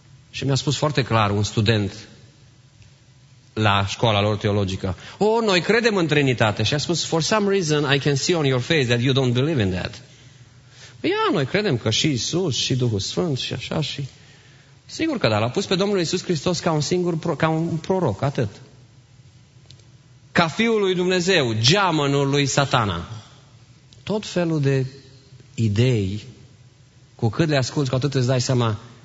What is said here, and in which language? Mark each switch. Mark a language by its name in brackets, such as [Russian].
[Romanian] Și mi-a spus foarte clar un student la școala lor teologică. Oh, noi credem în Trinitate. Și a spus, [English] for some reason I can see on your face that you don't believe in that. [Romanian] Noi credem că și Iisus și Duhul Sfânt și așa și... Sigur că da, l-a pus pe Domnul Iisus Hristos ca un singur, ca un proroc, atât. Ca Fiul lui Dumnezeu, geamănul lui Satana. Tot felul de idei, cu cât le asculți, cu atât îți dai seama...